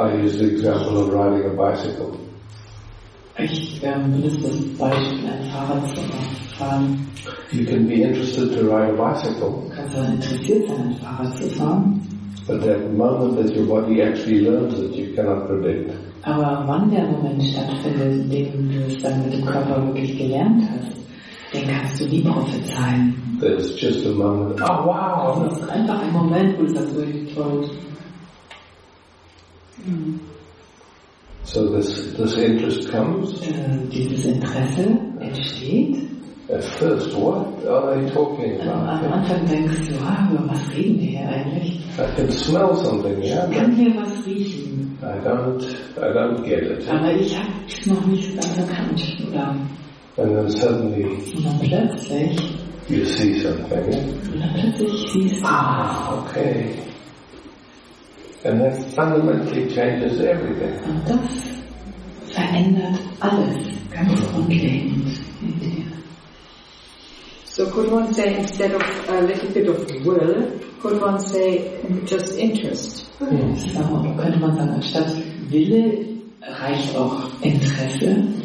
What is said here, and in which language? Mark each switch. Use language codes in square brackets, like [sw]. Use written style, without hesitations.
[en] I use the example of riding a bicycle. [de] Ich benutze das Beispiel, ein Fahrrad zu fahren. [en] You can be interested to ride a bicycle. [de] Kannst du interessiert sein, ein Fahrrad zu fahren? [en] But that moment that your body actually learns it, you cannot predict. [de] Aber wann der Moment stattfindet, in dem du es dann mit dem Körper wirklich gelernt hast, den kannst du nie prophezeien. [en] That's just a moment. Oh wow! [de] Das ist einfach ein Moment, wo es dann wirklich toll. [en] So this interest comes. [de] Dieses Interesse entsteht. [en] At first, what are they talking about? [de] Am Anfang denkst du, über was reden die hier eigentlich? [en] I can smell something, yeah. [de] Ich kann hier was riechen. [en] I don't get it. [de] Aber ich habe noch nicht ganz erkannt, oder? [en] And then suddenly. [de] Und dann plötzlich. [en] You see something. [de] Und dann plötzlich siehst du. [en] Okay. And that fundamentally changes everything. [de] Und das verändert alles ganz grundlegend. [en] So could one say instead of a little bit of will, could one say just interest? [de] So könnte man sagen, anstatt Wille reicht auch Interesse.